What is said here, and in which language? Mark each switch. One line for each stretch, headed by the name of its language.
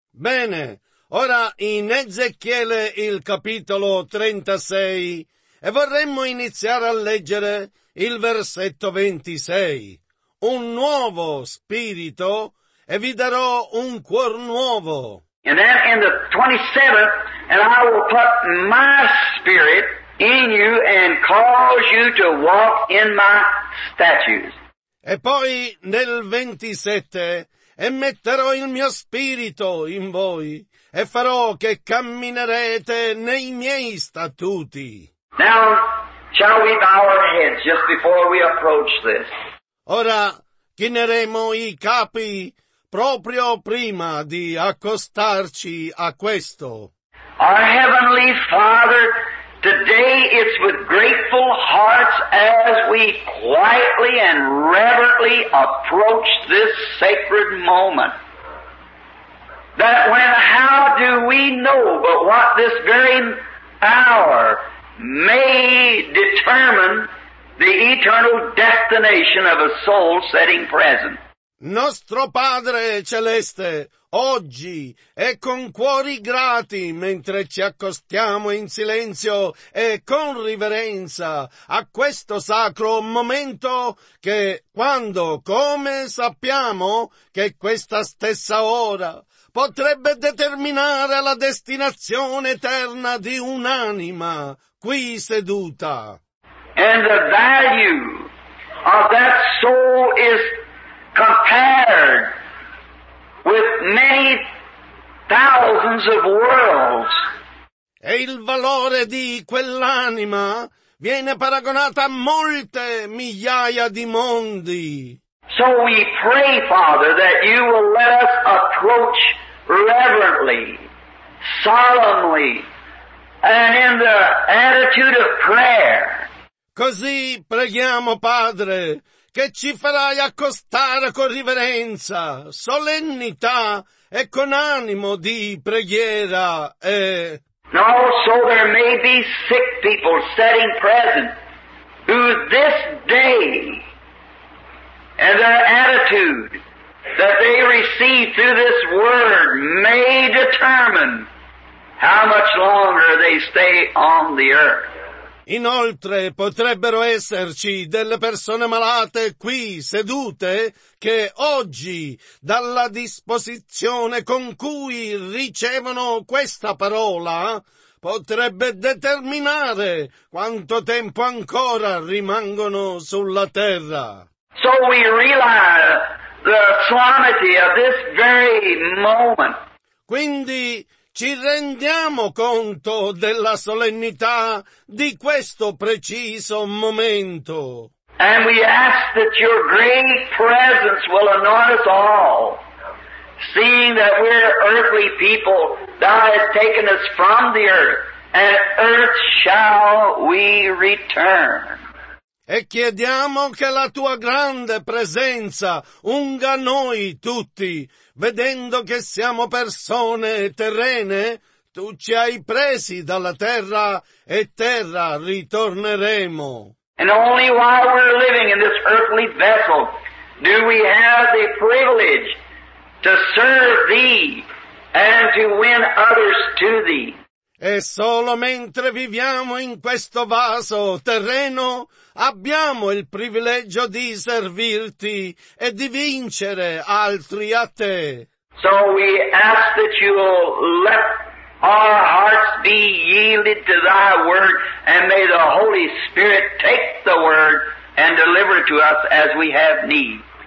Italian: Bene, ora in Ezechiele il capitolo 36 e vorremmo iniziare a leggere il versetto 26. Un nuovo spirito e vi darò un cuor nuovo.
English: And then in the 27th, and I will put my spirit in you and cause you to walk in my statutes.
Italian: E poi nel 27, e metterò il mio spirito in voi, e farò che camminerete nei miei statuti.
English: Now, shall we bow our heads just before we approach this?
Italian: Ora, chineremo i capi proprio prima di accostarci a questo.
English: Our Heavenly Father, today it's with grateful hearts as we quietly and reverently approach this sacred moment. That when, how do we know but what this very hour may determine the eternal destination of a soul sitting present.
Italian: Nostro Padre Celeste, oggi e con cuori grati mentre ci accostiamo in silenzio e con riverenza a questo sacro momento che quando, come sappiamo che questa stessa ora potrebbe determinare la destinazione eterna di un'anima qui seduta.
English: And the value of that soul is compared with many thousands of worlds.
Italian: E il valore di quell'anima viene paragonata a molte migliaia di mondi.
English: So we pray, Father, that you will let us approach reverently, solemnly, and in the attitude of prayer.
Italian: Così preghiamo, Padre, che ci farai accostare con riverenza, solennità e con animo di preghiera e...
English: No, so there may be sick people sitting present who this day and their attitude that they receive through this word may determine how much longer they stay on the earth.
Italian: Inoltre potrebbero esserci delle persone malate qui sedute che oggi, dalla disposizione con cui ricevono questa parola, potrebbe determinare quanto tempo ancora rimangono sulla terra.
English: So we realize the solemnity of this very moment.
Italian: Quindi ci rendiamo conto della solennità di questo preciso momento.
English: And we ask that your great presence will anoint us all, seeing that we're earthly people, thou hast taken us from the earth, and earth shall we return.
Italian: E chiediamo che la tua grande presenza unga noi tutti, vedendo che siamo persone terrene, tu ci hai presi dalla terra e terra ritorneremo.
English: And only while we're living in this earthly vessel do we have the privilege to serve thee and to win others to thee.
Italian: E solo mentre viviamo in questo vaso terreno, abbiamo il privilegio di servirti e di vincere altri a te.
English: So we ask that you will let our hearts be yielded to thy word, and may the Holy Spirit take the word and deliver it to us as we have need.